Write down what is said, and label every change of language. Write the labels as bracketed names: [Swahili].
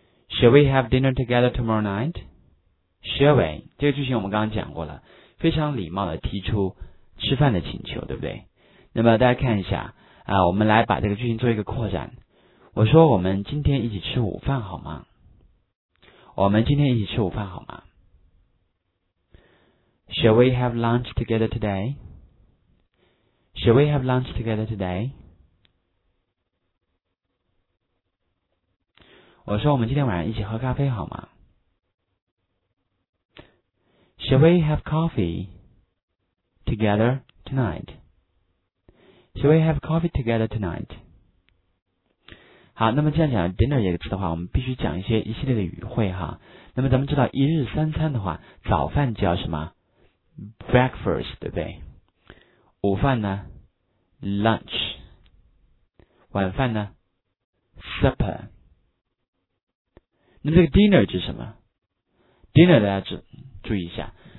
[English] Shall we have dinner together tomorrow night? Shall we? [Chinese] 这个句型我们刚刚讲过了，非常礼貌的提出吃饭的请求，对不对？那么大家看一下啊，我们来把这个句型做一个扩展。我说我们今天一起吃午饭好吗？我们今天一起吃午饭好吗？ [English] Shall we have lunch together today? Shall we have lunch together today? [Chinese] 我说我们今天晚上一起喝咖啡好吗？ [English] Shall we have coffee together tonight? Shall we have coffee together tonight? [Chinese] 好，那么这样讲 dinner 这个词的话，我们必须讲一系列的语汇哈。那么咱们知道一日三餐的话，早饭叫什么？ Breakfast, 对不对？午饭呢 ?Lunch。晚饭呢 ?Supper。那这个 dinner 指什么 ?dinner 大家注意一下。